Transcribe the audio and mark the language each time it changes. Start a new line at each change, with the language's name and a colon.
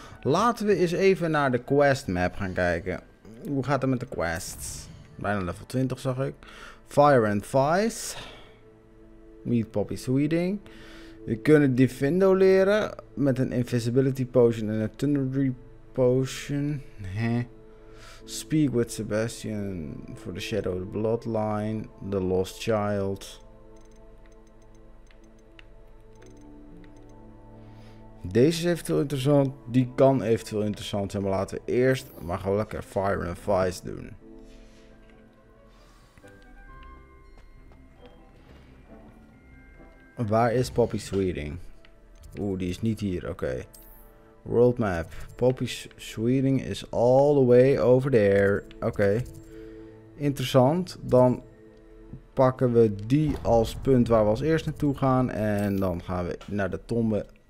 Dutch: Laten we eens even naar de quest map gaan kijken. Hoe gaat het met de quests? Bijna level 20 zag ik. Fire and Vice. Meet Poppy Sweeting. We kunnen Defindo leren met een Invisibility Potion en een Thundery Potion.
English: Speak with Sebastian for the Shadow of the Bloodline. The Lost Child.
Dutch: Deze is eventueel interessant. Die kan eventueel interessant zijn. Maar laten we eerst maar gewoon lekker Fire and Vice doen. Waar is Poppy Sweeting? Oeh, die is niet hier. Oké. World map.
English: Poppy Sweeting is all the way over there.
Dutch: Oké. Interessant. Dan pakken we die als punt waar we als eerst naartoe gaan. En dan gaan we naar de tombe.